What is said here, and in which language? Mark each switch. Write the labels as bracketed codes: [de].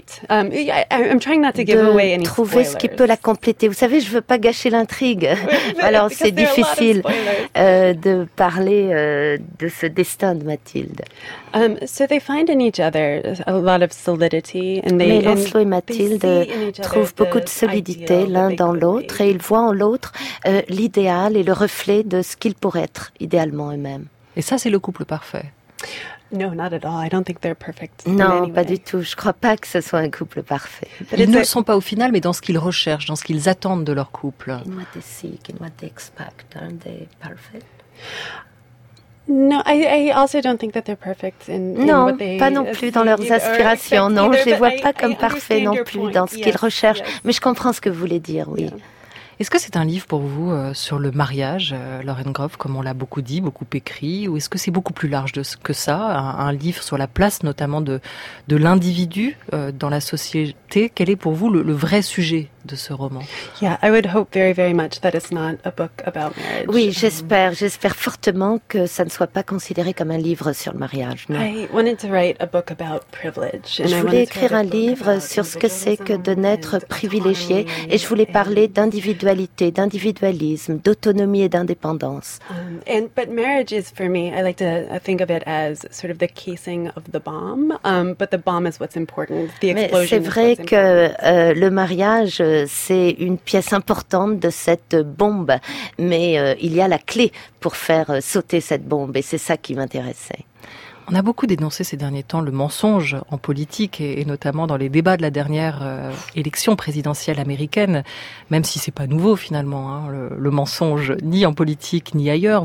[en] I'm trying not to give away any spoilers. [fr] Trouver ce qui peut la compléter. Vous savez, je veux pas gâcher l'intrigue. Alors c'est difficile de parler de ce destin de Mathilde. [en] So they find in each other a lot of solidity, and they. [fr] Mais Lancelot et Mathilde trouvent beaucoup de solidité l'un dans l'autre, et ils voient en l'autre l'idéal et le reflet de ce qu'ils pourraient être idéalement eux-mêmes. Et ça, c'est le couple parfait. [en] No, not at all. I don't think they're perfect. [fr] Non, pas du tout. Je ne crois pas que ce soit un couple parfait. Ils ne le sont pas au final, mais dans ce qu'ils recherchent, dans ce qu'ils attendent de leur couple. [en] In what they seek, in what they expect, aren't they perfect? No, I also don't think that they're perfect in what they. [fr] Non, pas non plus dans leurs aspirations. Non, je ne les vois pas comme parfaits non plus dans ce qu'ils recherchent. [en] Yes. [fr] Mais je comprends ce que vous voulez dire, oui. [en] Yeah. [fr] Est-ce que c'est un livre pour vous sur le mariage, Lauren Groff, comme on l'a beaucoup dit, beaucoup écrit, ou est-ce que c'est beaucoup plus large que ça, un livre sur la place notamment de l'individu dans la société? Quel est pour vous le vrai sujet de ce roman. [en] Yeah, I would hope very, very much that it's not a book about marriage. [fr] Oui, j'espère fortement que ça ne soit pas considéré comme un livre sur le mariage. Non. [en] I wanted to write a book about privilege. [fr] Je voulais écrire un livre sur ce que c'est que de naître privilégié, et je voulais parler d'individualité, d'individualisme, d'autonomie et d'indépendance. [en] But marriage is for me. I like to think of it as sort of the casing of the bomb. But the bomb is what's important. The explosion. [fr] Mais c'est vrai que le mariage, c'est une pièce importante de cette bombe, mais il y a la clé pour faire sauter cette bombe, et c'est ça qui m'intéressait. On a beaucoup dénoncé ces derniers temps le mensonge en politique, et notamment dans les débats de la dernière élection présidentielle américaine, même si c'est pas nouveau finalement, hein, le mensonge, ni en politique ni ailleurs.